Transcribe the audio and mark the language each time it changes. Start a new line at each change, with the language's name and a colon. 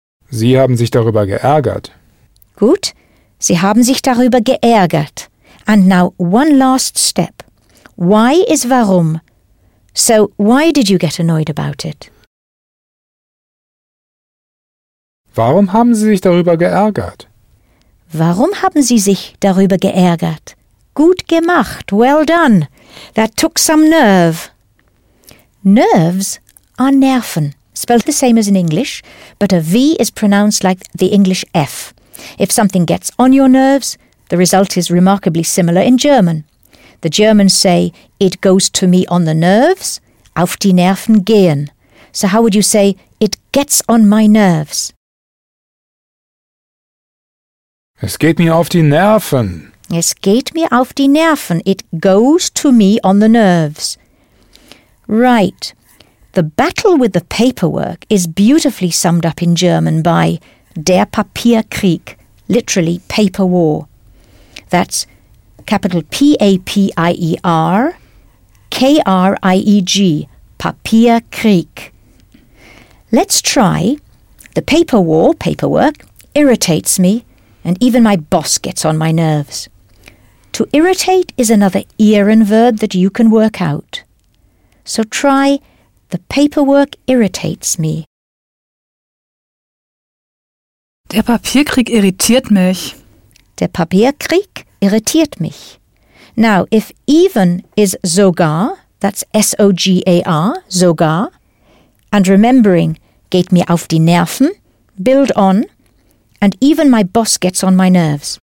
German: Sie haben sich darüber geärgert. Gut, Sie haben sich darüber geärgert.
English: And now one last step. Why is warum? So, why did you get annoyed about it?
German: Warum haben Sie sich darüber geärgert? Warum haben Sie sich darüber geärgert? Gut gemacht.
English: Well done. That took some nerve. Nerves are Nerven, spelled the same as in English, but a V is pronounced like the English F. If something gets on your nerves, the result is remarkably similar in German. The Germans say, it goes to me on the nerves,
German: auf die Nerven gehen.
English: So how would you say, it gets on my nerves?
German: Es geht mir auf die Nerven. Es geht mir auf die Nerven.
English: It goes to me on the nerves. Right. The battle with the paperwork is beautifully summed up in German by der Papierkrieg, literally paper war. That's capital P-A-P-I-E-R, K-R-I-E-G, Papierkrieg. Let's try. The paper war, paperwork, irritates me, and even my boss gets on my nerves. To irritate is another Ehrenverb that you can work out. So try, the paperwork irritates me.
German: Der Papierkrieg irritiert mich. Der Papierkrieg irritiert mich.
English: Now, if even is sogar, that's S-O-G-A-R, sogar, and remembering,
German: geht mir auf die Nerven,
English: build on, and even my boss gets on my nerves.